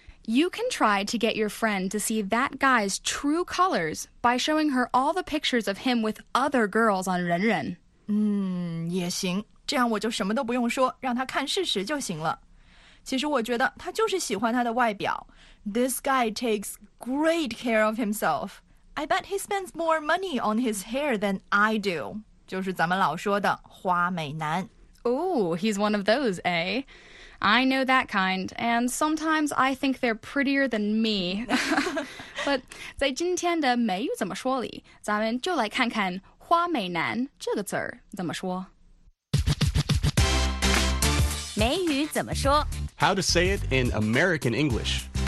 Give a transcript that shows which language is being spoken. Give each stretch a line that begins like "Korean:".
English: You can try to get your friend to see that guy's true colors by showing her all the pictures of him with other girls on 人人。
Chinese: 也行。这样我就什么都不用说，让他看事实就行了。其实我觉得他就是喜欢他的外表。
English: This guy takes great care of himself. I bet he spends more money on his hair than I do.
Chinese: 就是咱们老说的花美男。
English: Oh, he's one of those, eh? I know that kind, and sometimes I think they're prettier than me.
Chinese: But 在今天的美语怎么说里，咱们就来看看花美男这个词怎么说。美语怎么说
English: How to say it in American English.